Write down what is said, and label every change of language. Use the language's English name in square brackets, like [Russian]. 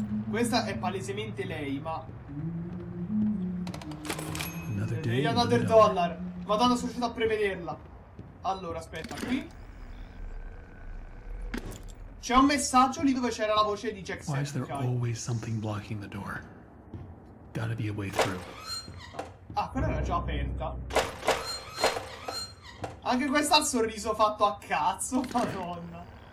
[Italian] Questa è palesemente lei, ma... [English] Another dollar. [Italian] Madonna, sono riuscito a prevederla. Allora, aspetta, qui... C'è un messaggio lì dove c'era la voce di Jack Sedgwick. [English] Why is there always something blocking the door? Gotta be a way through. [Italian] Ah, quella era già aperta. Anche questa ha il sorriso fatto a cazzo, madonna.